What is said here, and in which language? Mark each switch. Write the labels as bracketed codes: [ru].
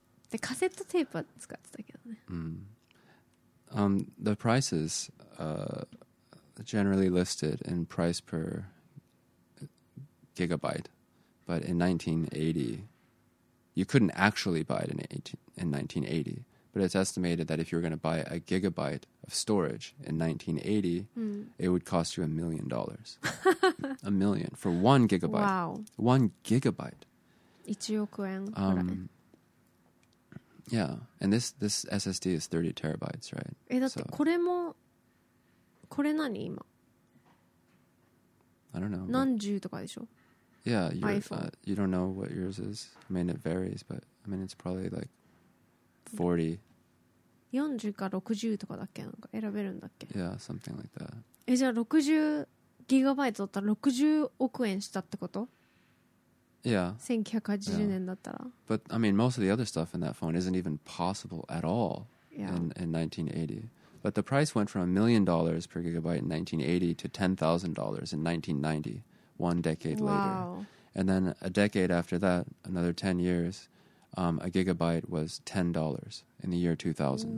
[ja] で、カセットテープは使ってたけどね。 [en] The prices, generally listed in price per gigabyte, but in 1980... You couldn't actually buy it in 1980, but it's estimated that if you were going to buy a gigabyte of storage in 1980, it would cost you $1 million. A million for 1 gigabyte. Wow. 1 gigabyte. [ja] 1億円. [en] Yeah. And this SSD is 30 terabytes, right? [ja] え、だってこれも、これ何今? [en] I don't know. [ja] 何十とかでしょ? [en] Yeah, you don't know what yours is. I mean, it varies, but I mean, it's probably like 40. [ja] 40か60とかだっけ? なんか選べるんだっけ? [en] Yeah, something like that. [ja] え、じゃあ60ギガバイトだったら60億円したってこと? [en] Yeah. [ja] 1980年だったら。 [en] But I mean, most of the other stuff in that phone isn't even possible at all in 1980. But the price went from $1 million per gigabyte in 1980 to $10,000 in 1990. One decade later. And then a decade after that, another 10 years, a gigabyte was $10 in the year 2000.